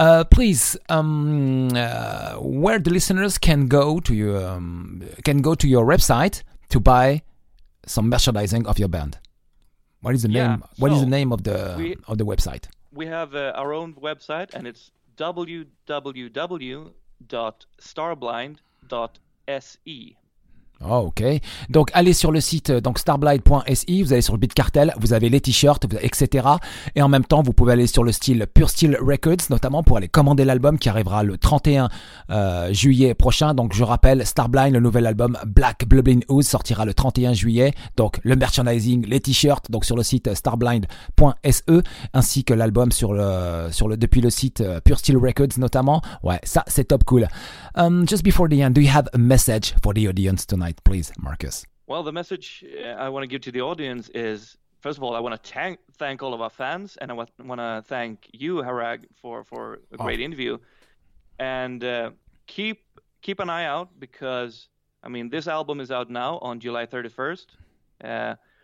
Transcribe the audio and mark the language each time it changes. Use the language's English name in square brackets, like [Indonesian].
[English] Please, where the listeners can go to your website to buy some merchandising of your band. Yeah, What is the so name of the website? we have our own website, and it's www.starblind.se. Okay. [French] Donc allez sur le site donc starblind.se, vous allez sur le Bitcartel, vous avez les t-shirts, etc. Et en même temps, vous pouvez aller sur le style Pure Steel Records, notamment pour aller commander l'album qui arrivera le 31 juillet prochain. Donc je rappelle, Starblind, le nouvel album Black Blubbing Ooze sortira le 31 juillet. Donc le merchandising, les t-shirts, donc sur le site starblind.se, ainsi que l'album depuis le site Pure Steel Records notamment. Ouais, ça c'est top cool. [English] Just before the end, do you have a message for the audience tonight? Please, Marcus. Well, the message I want to give to the audience is, first of all, I want to thank all of our fans, and I want to thank you, Harag, for a great Oh. interview. And keep an eye out, because I mean, this album is out now on July 31st.